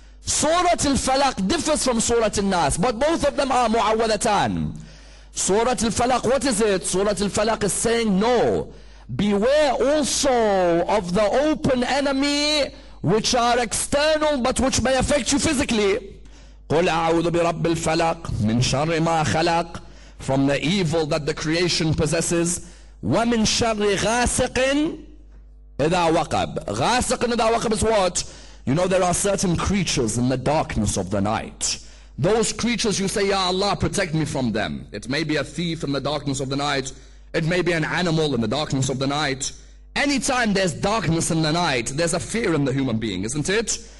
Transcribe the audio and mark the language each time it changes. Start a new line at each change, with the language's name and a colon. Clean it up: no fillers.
English: Surah Al-Falaq differs from Surah Al-Nas, but both of them are mu'awwadhatan. Surah Al-Falaq, what is it? Surah Al-Falaq is saying, no, beware also of the open enemy which are external but which may affect you physically.
Arabic: قُلْ أَعُوذُ بِرَبِّ الْفَلَقِ مِنْ شَرِّ مَا خَلَقٍ,
English: from the evil that the creation possesses.
Arabic: وَمِنْ شَرِّ غَاسِقٍ إِذَا وَقَبْ. غَاسِقٍ إِذَا وَقَبْ
English: is what? You know, there are certain creatures in the darkness of the night. Those creatures, you say, Ya Allah, protect me from them. It may be a thief in the darkness of the night. It may be an animal in the darkness of the night. Anytime there's darkness in the night, there's a fear in the human being, isn't it?